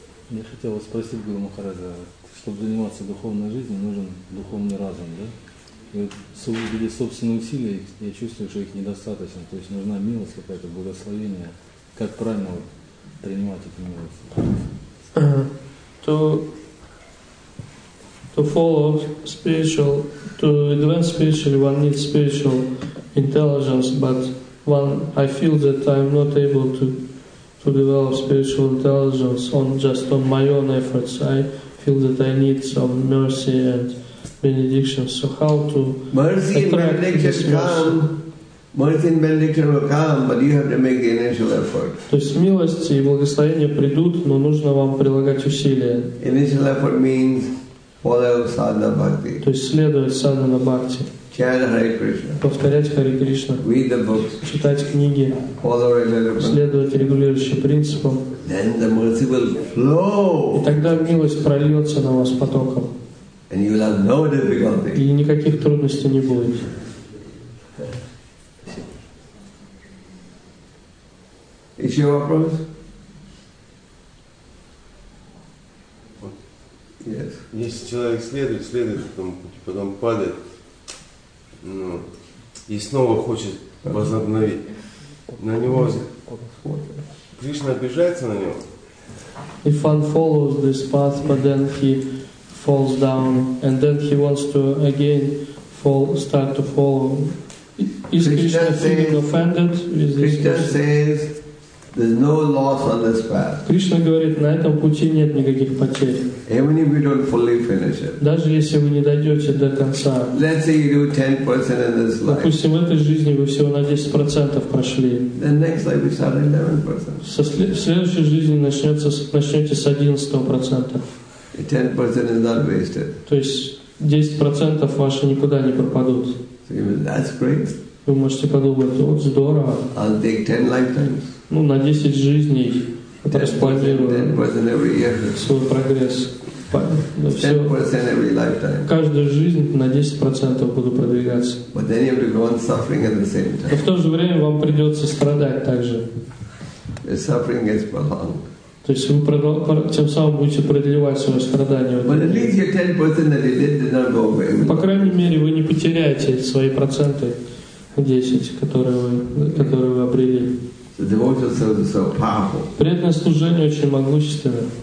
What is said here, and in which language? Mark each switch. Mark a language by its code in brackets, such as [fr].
[ru] Я хотел вас спросить, Гуру Махараджа, чтобы заниматься духовной жизнью, нужен духовный разум, да? И вот в собственные усилия, я чувствую, что их недостаточно. То есть нужна милость какая-то, благословение. Как правильно вот принимать эту милость? [en] To follow spiritual, to advance spiritually, one needs spiritual intelligence, but one, I feel that I'm not able to develop spiritual intelligence on my own efforts. I feel that I need some mercy and benediction. So how to Mercy and benediction will come, but you have to make the initial effort. [ru] То есть милости и благословения придут, но нужно вам прилагать усилия. [en] Initial effort means follow sadhana bhakti. [ru] То есть следовать sadhana bhakti. Повторять Харе Кришна. [en] Read the books. [ru] Читать книги. [en] Follow regular principles. [ru] Следовать регулирующим принципам. [en] Then the mercy will flow. [ru] И тогда милость прольется на вас потоком. [en] And you will have no difficulty. [ru] И никаких трудностей не будет. Еще вопрос? [en] Yes. [ru] Если человек следует, потом пути, потом падает. Ну, и снова хочет возобновить. На него Кришна обижается на него. [en] If one follows this path, but then he falls down, and then he wants to again fall, start to follow, is Krishna feeling offended? Krishna says, there's no loss on this path. [ru] Кришна говорит, на этом пути нет никаких потерь. [en] Even if you don't fully finish it. [ru] Даже если вы не дойдете до конца. [en] Let's say you do 10% in this life. [ru] Допустим, в этой жизни вы всего на 10% прошли. [en] The next life we start 11%. [ru] В следующей жизни начнете с 11%. [en] 10% is not wasted. [ru] То есть 10% ваши никуда не пропадут. [en] That's great. [ru] Вы можете подумать, вот здорово. [en] I'll take 10 lifetimes. [ru] Ну, на 10 жизней распланирую свой прогресс. [en] 10% every lifetime. [ru] Каждую жизнь на 10% буду продвигаться. [en] But then you have to go on suffering at the same time. [ru] Но в то же время вам придется страдать также. [en] The suffering gets prolonged. [ru] То есть вы тем самым будете продлевать свое страдание. [en] But at least your 10% that you did not go away. [ru] По крайней мере, вы не потеряете свои проценты 10, которые вы обрели. [en] The devotional service is so powerful. [ru] Преданное служение очень могущественно.